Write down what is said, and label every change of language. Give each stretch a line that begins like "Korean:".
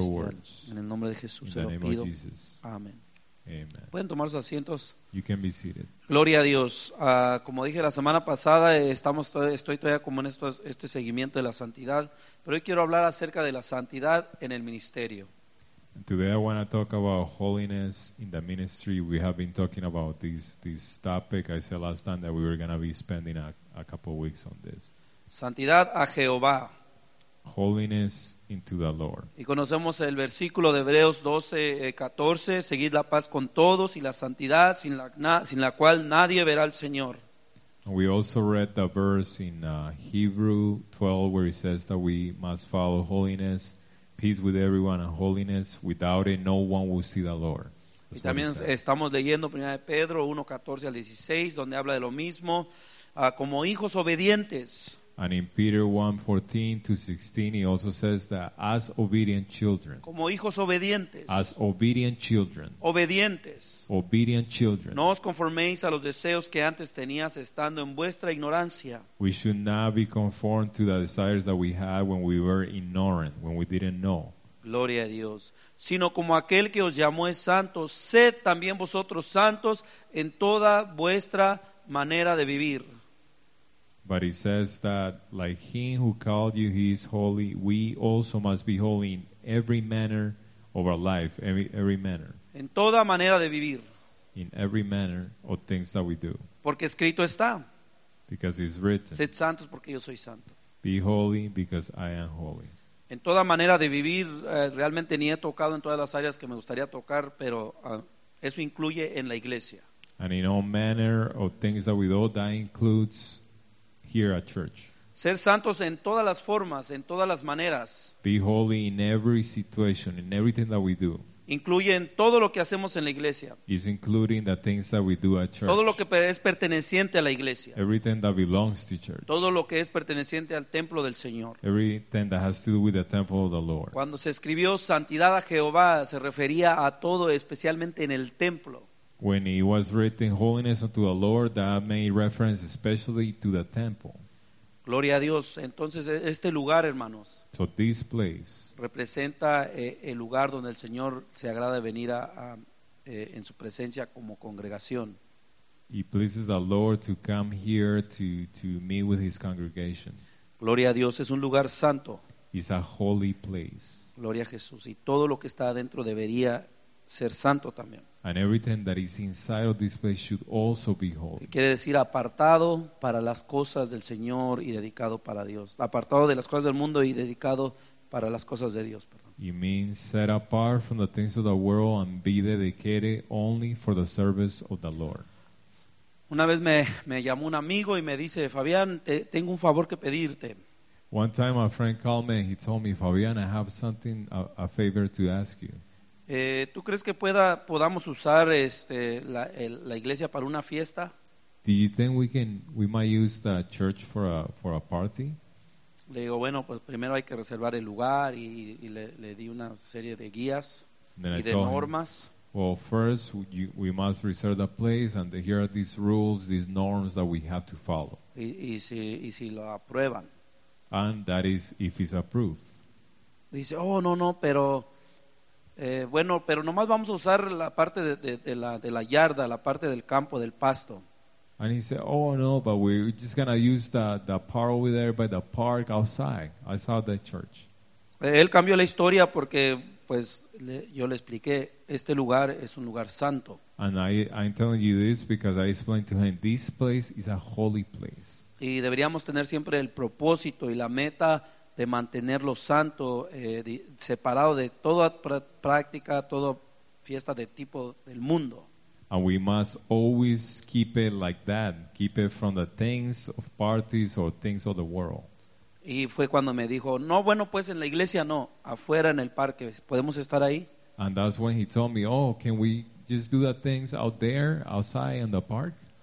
English: Words.
Spanish: En el nombre de Jesús se lo pido. Amén.
English: Amen.
Spanish: Pueden tomar sus asientos.
English: You can be seated.
Spanish: Gloria a Dios. Como dije la semana pasada, estoy todavía como en este seguimiento de la santidad, pero hoy quiero hablar acerca de la santidad en el ministerio.
English: Today I want to talk about holiness in the ministry. We have been talking about this topic. I said last time that we were going to be spending a couple of weeks on this.
Spanish: Santidad a Jehová.
English: Holiness into the Lord.
Spanish: Y conocemos el versículo de Hebreos 12:14, seguid la paz con todos y la santidad sin la cual nadie verá al Señor.
English: We also read the verse in Hebrews 12 where it says that we must follow holiness, peace with everyone and holiness, without it no one will see the Lord. That's
Spanish: y también estamos leyendo 1 Pedro 1:14-16 donde habla de lo mismo, como hijos obedientes.
English: And in Peter 1:14-16, he also says that as obedient children.
Spanish: Como hijos obedientes.
English: As obedient children.
Spanish: Obedientes.
English: Obedient children.
Spanish: No os conforméis a los deseos que antes tenías estando en vuestra ignorancia.
English: We should not be conformed to the desires that we had when we were ignorant, when we didn't know.
Spanish: Gloria a Dios. Sino como aquel que os llamó es santo, sed también vosotros santos en toda vuestra manera de vivir.
English: But it says that, like him who called you, he is holy, we also must be holy in every manner of our life, every manner.
Spanish: En toda manera de vivir.
English: In every manner of things that we do.
Spanish: Porque escrito está.
English: Because it's written.
Spanish: Sed santos porque yo soy santo.
English: Be holy because I am holy.
Spanish: En toda manera de vivir, realmente ni he tocado en todas las áreas que me gustaría tocar, pero eso incluye en la iglesia.
English: And in all manner of things that we do, that includes... Here at church.
Spanish: Ser santos en todas las formas, en todas las maneras.
English: Be holy in every situation, in everything that we do.
Spanish: Incluye en todo lo que hacemos en la iglesia.
English: Is including the things that we do at church.
Spanish: Todo lo que es perteneciente a la iglesia.
English: Everything that belongs to church.
Spanish: Todo lo que es perteneciente al templo del Señor.
English: Everything that has to do with the temple of the Lord.
Spanish: Cuando se escribió santidad a Jehová, se refería a todo, especialmente en el templo.
English: When it was written holiness unto the Lord, that made reference especially to the temple.
Spanish: Gloria a Dios. Entonces, este lugar, hermanos.
English: So this place.
Spanish: Representa el lugar donde el Señor se agrada venir en su presencia como congregación.
English: He pleases the Lord to come here to meet with his congregation.
Spanish: Gloria a Dios. Es un lugar santo.
English: It's a holy place.
Spanish: Gloria a Jesús. Y todo lo que está adentro debería ser santo también. And everything that is inside of this place should also be holy. Quiere decir apartado para las cosas del Señor y dedicado para Dios. Apartado de las cosas del mundo y dedicado para las cosas de Dios. Perdón.
English: It means set apart from the things of the world and be dedicated only for the service of the Lord.
Spanish: Una vez me llamó un amigo y me dice, Fabián, tengo un favor que pedirte.
English: One time a friend called me and he told me, Fabián, I have something, a favor to ask you.
Spanish: ¿Tú crees que podamos usar la iglesia para una fiesta?
English: Do you think we might use the church for a party?
Spanish: Le digo, bueno, pues primero hay que reservar el lugar y le di una serie de guías
English: then
Spanish: y
English: I
Spanish: de normas.
English: Him, well, first we must reserve the place and here are these rules, these norms that we have to follow.
Spanish: Y si lo aprueban.
English: And that is if it's approved.
Spanish: Dice, oh, no, pero... bueno, pero nomás vamos a usar la parte de la yarda, la parte del campo, del pasto.
English: And he said, oh no, but we're just going to use the part over there by the park outside the church.
Spanish: Él cambió la historia porque, pues, yo le expliqué, este lugar es un lugar santo.
English: And I'm telling you this because I explained to him, this place is a holy place.
Spanish: Y deberíamos tener siempre el propósito y la meta de mantenerlo santo, separado de toda práctica, toda fiesta de tipo del mundo.
English: And we must always keep it like that, keep it from the things of parties or things of the world.
Spanish: Y fue cuando me dijo, no, bueno, pues en la iglesia no, afuera en el parque, ¿podemos estar ahí?
English: And that's when he told me, oh, can we just do that things out there, outside in the park?